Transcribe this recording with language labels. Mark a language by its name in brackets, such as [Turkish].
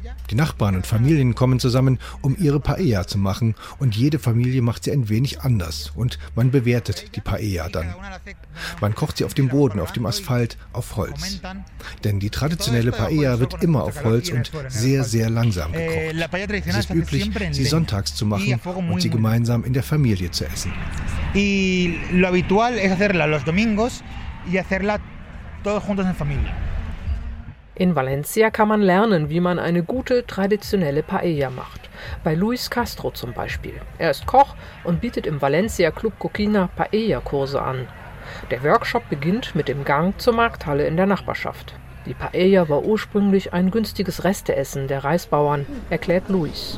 [German] Die Nachbarn und Familien kommen zusammen, um ihre Paella zu machen, und jede Familie macht sie ein wenig anders und man bewertet die Paella dann. Man kocht sie auf dem Boden, auf dem Asphalt, auf Holz. Denn die traditionelle Paella wird immer auf Holz und sehr, sehr langsam gekocht. Es ist üblich, sie sonntags zu machen und sie gemeinsam in der Familie zu essen. [Spanish] Lo habitual es hacerla los domingos y hacerla todos juntos en familia. [German] In Valencia kann man lernen, wie man eine gute traditionelle Paella macht. Bei Luis Castro zum Beispiel. Er ist Koch und bietet im Valencia Club Coquina Paella-Kurse an. Der Workshop beginnt mit dem Gang zur Markthalle in der Nachbarschaft. Die Paella war ursprünglich ein günstiges Resteessen der Reisbauern, erklärt Luis.